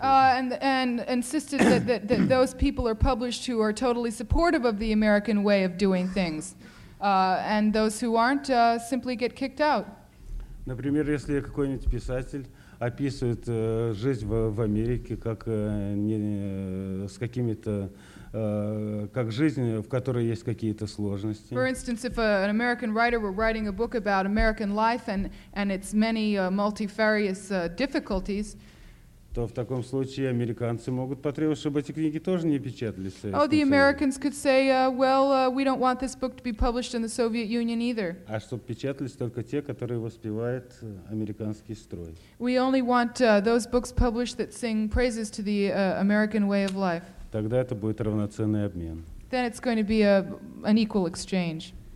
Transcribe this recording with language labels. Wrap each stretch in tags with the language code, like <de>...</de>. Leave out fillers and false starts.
<en>And insisted that those people are published who are totally supportive of the American way of doing things, and those who aren't simply get kicked out.</en> <ru>Например, если я какой-нибудь писатель описывает жизнь в Америке как не, с какими-то как жизнь, в которой есть какие-то сложности.</ru> <en>For instance, if an American writer were writing a book about American life and its many multifarious difficulties,</en> <ru>то в таком случае американцы могут потребовать, чтобы эти книги тоже не печатались.</ru> <en>Oh, the Americans could say, well, we don't want this book to be published in the Soviet Union either.</en> <ru>А чтобы печатались только те, которые воспевают американский строй.</ru> <en>We only want those books published that sing praises to the American way of life.</en> <ru>Тогда это будет равноценный обмен.</ru> <en>Then it's going to be an equal exchange.</en>